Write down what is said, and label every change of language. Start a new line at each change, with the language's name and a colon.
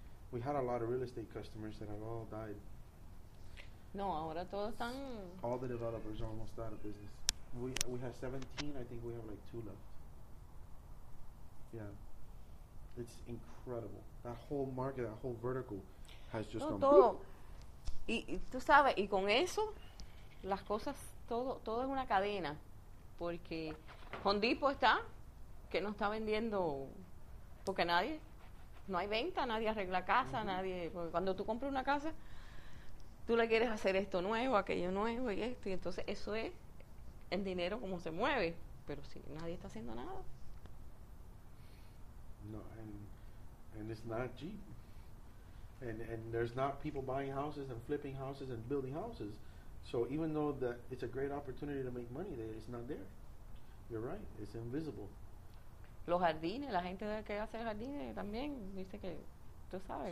English: We had a lot of real estate customers that have all died.
Spanish: No, ahora todos están...
English: All the developers are almost out of business. We have 17. I think we have like 2 left. Yeah, it's incredible. That whole market, that whole vertical has just gone.
Spanish: Todo. Y tú sabes, y con eso, las cosas, todo es una cadena. Porque Home Depot está, que no está vendiendo, porque nadie, no hay venta, nadie arregla casa, uh-huh. Nadie. Porque cuando tú compras una casa, tú le quieres hacer esto nuevo, aquello nuevo y esto. Y entonces eso es el dinero como se mueve. Pero si nadie está haciendo nada.
English: No, and it's not cheap. And there's not people buying houses and flipping houses and building houses. So even though that it's a great opportunity to make money, it's not there. You're right. It's invisible.
Spanish: Los jardines, la gente que hace jardines también dice que, tú sabes.